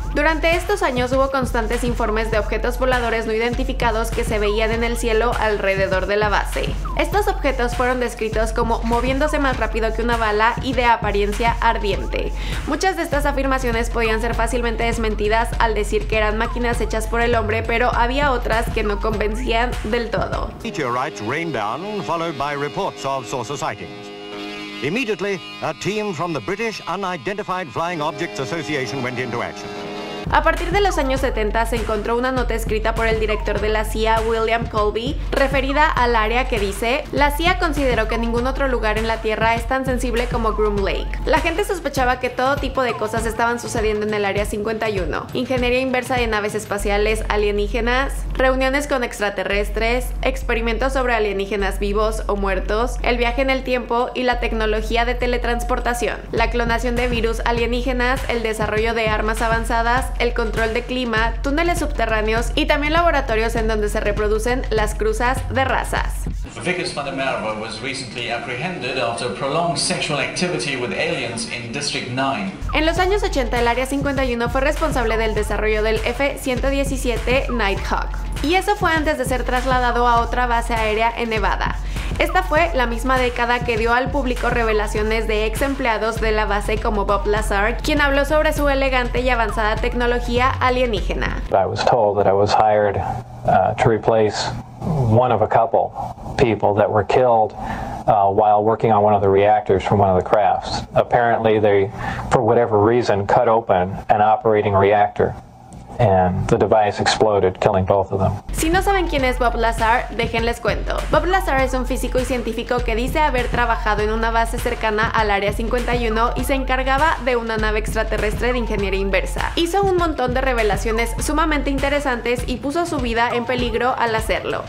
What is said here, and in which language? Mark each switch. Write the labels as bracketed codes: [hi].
[es] Durante estos años hubo constantes informes de objetos voladores no identificados que se veían en el cielo alrededor de la base. Estos objetos fueron descritos como moviéndose más rápido que una bala y de apariencia ardiente. Muchas de estas afirmaciones podían ser fácilmente desmentidas al decir que eran máquinas hechas por el hombre, pero había otras que no convencían del todo. [en] Meteorites rained down, followed by reports of saucer sightings. Immediately, a team from the British Unidentified Flying Objects Association went into action. [es] A partir de los años 70 se encontró una nota escrita por el director de la CIA, William Colby, referida al área, que dice: "La CIA consideró que ningún otro lugar en la Tierra es tan sensible como Groom Lake". La gente sospechaba que todo tipo de cosas estaban sucediendo en el Área 51. Ingeniería inversa de naves espaciales alienígenas, reuniones con extraterrestres, experimentos sobre alienígenas vivos o muertos, el viaje en el tiempo y la tecnología de teletransportación, la clonación de virus alienígenas, el desarrollo de armas avanzadas, el control de clima, túneles subterráneos y también laboratorios en donde se reproducen las cruzas de razas. [en] Vickers van der Merwe was recently apprehended after prolonged sexual activity with aliens in District 9. [es] En los años 80, el Área 51 fue responsable del desarrollo del F-117 Nighthawk. Y eso fue antes de ser trasladado a otra base aérea en Nevada. Esta fue la misma década que dio al público revelaciones de ex empleados de la base como Bob Lazar, quien habló sobre su elegante y avanzada tecnología alienígena. [en] I was told that I was hired to replace one of a couple people that were killed while working on one of the reactors from one of the crafts. Apparently they, for whatever reason, cut open an operating reactor. And the device exploded, killing both of them. [es] Si no saben quién es Bob Lazar, déjenles cuento. Bob Lazar es un físico y científico que dice haber trabajado en una base cercana al Área 51 y se encargaba de una nave extraterrestre de ingeniería inversa. Hizo un montón de revelaciones sumamente interesantes y puso su vida en peligro al hacerlo.